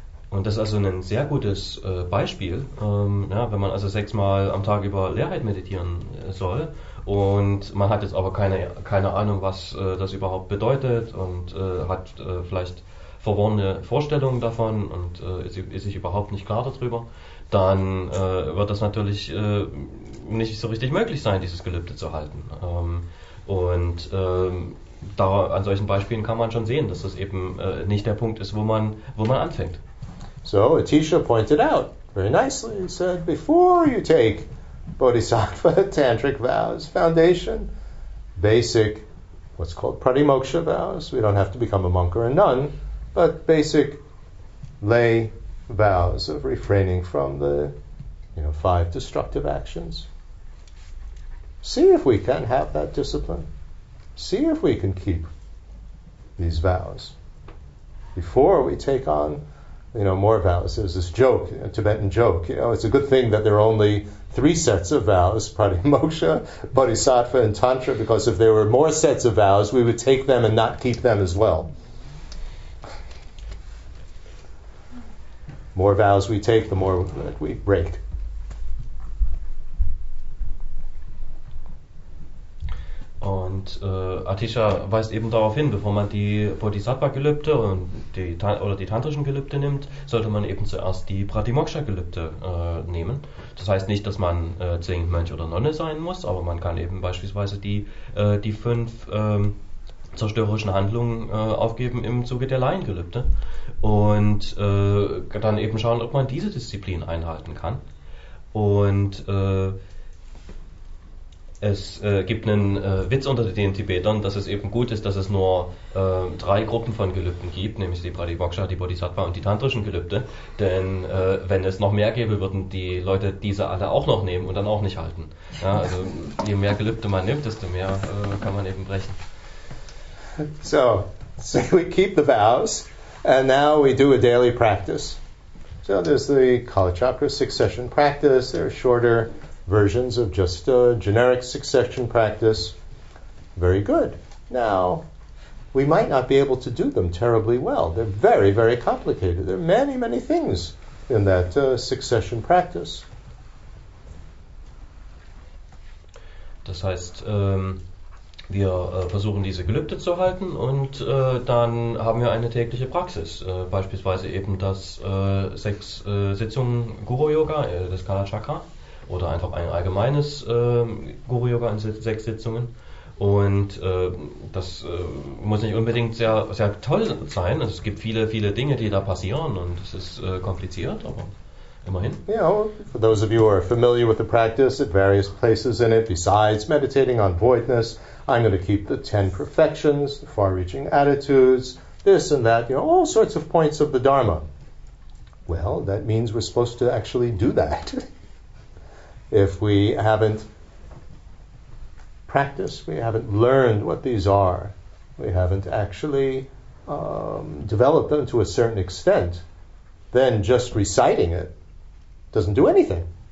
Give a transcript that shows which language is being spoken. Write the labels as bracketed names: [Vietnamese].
[German] Und das ist also ein sehr gutes Beispiel, wenn man also 6-mal am Tag über Leerheit meditieren soll und man hat jetzt aber keine Ahnung, was das überhaupt bedeutet und hat vielleicht verworrene Vorstellungen davon und ist sich überhaupt nicht klar darüber, dann wird das natürlich nicht so richtig möglich sein, dieses Gelübde zu halten. An solchen Beispielen kann man schon sehen, dass das eben nicht der Punkt ist, wo man anfängt. [English] So, Atisha pointed out very nicely, he said, before you take bodhisattva tantric vows, foundation, basic, what's called pratimoksha vows, we don't have to become a monk or a nun, but basic lay vows of refraining from the, you know, 5 destructive actions. See if we can have that discipline. See if we can keep these vows before we take on, you know, more vows. There's this joke, a Tibetan joke. You know, it's a good thing that there are only 3 sets of vows, pratimoksha, bodhisattva, and tantra, because if there were more sets of vows, we would take them and not keep them as well. More vows we take, the more that we break. [German] Und Atisha weist eben darauf hin, bevor man die Bodhisattva-Gelübde und die tantrischen Gelübde nimmt, sollte man eben zuerst die Pratimoksha-Gelübde nehmen. Das heißt nicht, dass man zwingend Mönch oder Nonne sein muss, aber man kann eben beispielsweise die 5 zerstörerischen Handlungen aufgeben im Zuge der Laiengelübde und dann eben schauen, ob man diese Disziplin einhalten kann. Und es gibt einen Witz unter den Tibetern, dass es eben gut ist, dass es nur 3 Gruppen von Gelübden gibt, nämlich die Pratimoksha, die Bodhisattva und die tantrischen Gelübde. Denn wenn es noch mehr gäbe, würden die Leute diese alle auch noch nehmen und dann auch nicht halten. Ja, also je mehr Gelübde man nimmt, desto mehr kann man eben brechen. [English] So we keep the vows and now we do a daily practice. So there's the Kalachakra 6-session practice. They're shorter versions of just a generic 6-session practice. Very good. Now, we might not be able to do them terribly well. They're very, very complicated. There are many, many things in that 6-session practice. [German] Das heißt, wir versuchen, diese Gelübde zu halten und dann haben wir eine tägliche Praxis. Beispielsweise eben das 6 Sitzungen Guru-Yoga, das Kalachakra. Oder einfach ein allgemeines Guru-Yoga in 6 Sitzungen. Und das muss nicht unbedingt sehr, sehr toll sein. Also es gibt viele, viele Dinge, die da passieren und es ist kompliziert, aber immerhin. [English] You know, for those of you who are familiar with the practice at various places in it, besides meditating on voidness, I'm going to keep the 10 perfections, the far-reaching attitudes, this and that, you know, all sorts of points of the Dharma. Well, that means we're supposed to actually do that. If we haven't practiced, we haven't learned what these are, we haven't actually developed them to a certain extent, then just reciting it doesn't do anything.